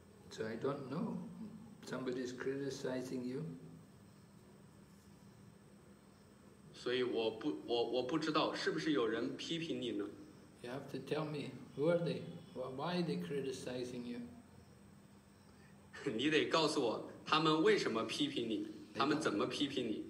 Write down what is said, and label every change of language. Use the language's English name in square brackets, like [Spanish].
[English] So I don't know. Somebody is criticizing you. [Chinese] 所以我不知道是不是有人批评你呢。 [English] You have to tell me who are they? Why are they criticizing you? [Chinese] 你得告诉我他们为什么批评你，他们怎么批评你。